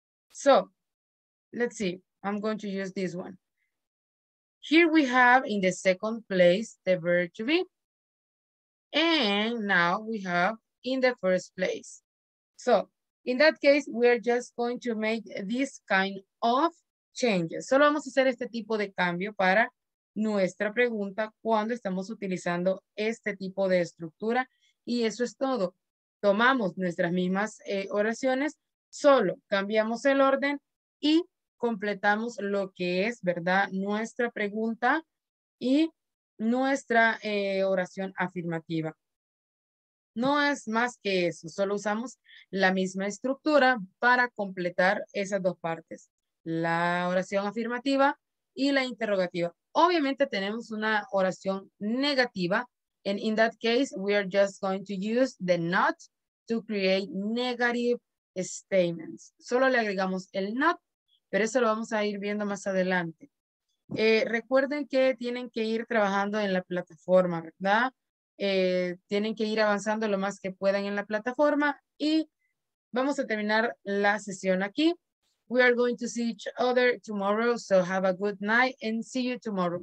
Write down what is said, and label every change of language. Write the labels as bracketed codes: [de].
[en] So let's see. I'm going to use this one. Here we have in the second place the verb to be. And now we have in the first place. So in that case, we're just going to make this kind of changes. [es] Solo vamos a hacer este tipo de cambio para nuestra pregunta cuando estamos utilizando este tipo de estructura y eso es todo. Tomamos nuestras mismas oraciones, solo cambiamos el orden y completamos lo que es, ¿verdad?, nuestra pregunta y nuestra oración afirmativa. No es más que eso, solo usamos la misma estructura para completar esas dos partes. La oración afirmativa y la interrogativa. Obviamente tenemos una oración negativa. [en] And in that case, we are just going to use the not to create negative statements. [es] Solo le agregamos el not, pero eso lo vamos a ir viendo más adelante. Recuerden que tienen que ir trabajando en la plataforma, ¿verdad? Tienen que ir avanzando lo más que puedan en la plataforma y vamos a terminar la sesión aquí. [en] We are going to see each other tomorrow, so have a good night and see you tomorrow.